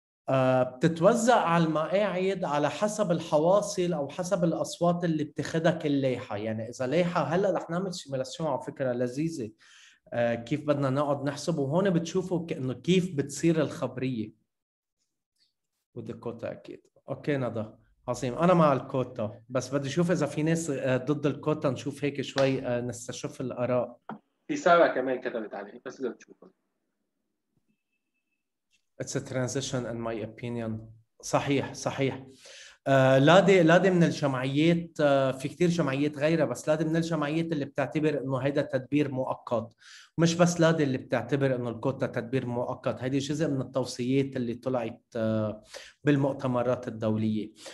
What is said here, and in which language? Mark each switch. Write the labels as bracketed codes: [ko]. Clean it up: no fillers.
[ar] بتتوزع على المقاعد على حسب الحواصل أو حسب الأصوات اللي بتخدها كل لائحة، يعني إذا لائحة هلأ رح نعمل سيميلاسيون على فكرة لذيذة، كيف بدنا نقعد نحسب، وهون بتشوفوا إنه كيف بتصير الخبرية والكوتا. أكيد أوكي ندى، عظيم، أنا مع الكوتا، بس بدي أشوف إذا في ناس ضد الكوتا، نشوف هيك شوي نستشف الأراء. في سارة كمان كتبت عليه، بس إذا بتشوفه [en] It's a transition in my opinion. [ar] صحيح صحيح. لادي من الجمعيات، في كتير جمعيات غيرها، بس لادي من الجمعيات اللي بتعتبر انه هيدا تدبير مؤقت، مش بس لادي اللي بتعتبر انه الكوتا تدبير مؤقت، هيدي جزء من التوصيات اللي طلعت بالمؤتمرات الدولية.